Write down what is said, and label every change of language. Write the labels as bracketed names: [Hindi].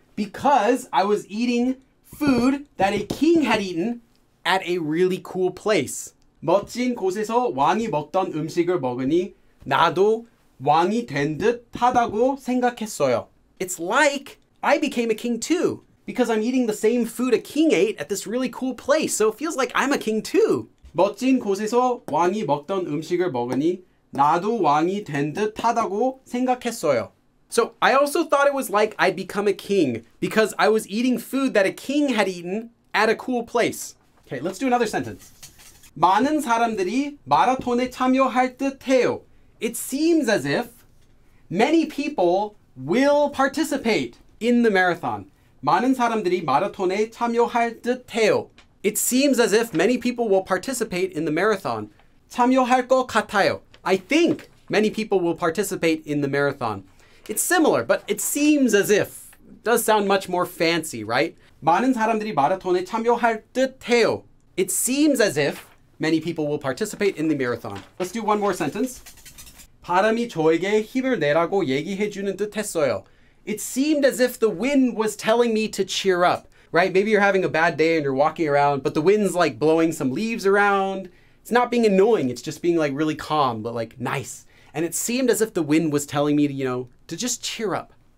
[English] because I was eating food that a king had eaten at a really cool place. [Korean] 멋진 곳에서 왕이 먹던 음식을 먹으니 나도 왕이 된 듯하다고 생각했어요. [English] It's like I became a king too because I'm eating the same food a king ate at this really cool place. So it feels like I'm a king too. [Korean] 멋진 곳에서 왕이 먹던 음식을 먹으니 나도 왕이 된 듯하다고 생각했어요. [English] So I also thought it was like I'd become a king because I was eating food that a king had eaten at a cool place. Okay, let's do another sentence. [Korean] 많은 사람들이 마라톤에 참여할 듯해요. [English] It seems as if many people will participate in the marathon. [Korean] 많은 사람들이 마라톤에 참여할 듯해요. [English] It seems as if many people will participate in the marathon. [Korean] 참여할 것 같아요. [English] I think many people will participate in the marathon. It's similar, but it seems as if. It does sound much more fancy, right? [Korean] 많은 사람들이 마라톤에 참여할 듯해요. [English] It seems as if many people will participate in the marathon. Let's do one more sentence. [Korean] 바람이 저에게 힘을 내라고 얘기해 주는 듯했어요. [English] It seemed as if the wind was telling me to cheer up, right? Maybe you're having a bad day and you're walking around, but the wind's like blowing some leaves around. It's not being annoying, it's just being like really calm, but like nice. And it seemed as if the wind was telling me to, you know, to just cheer up.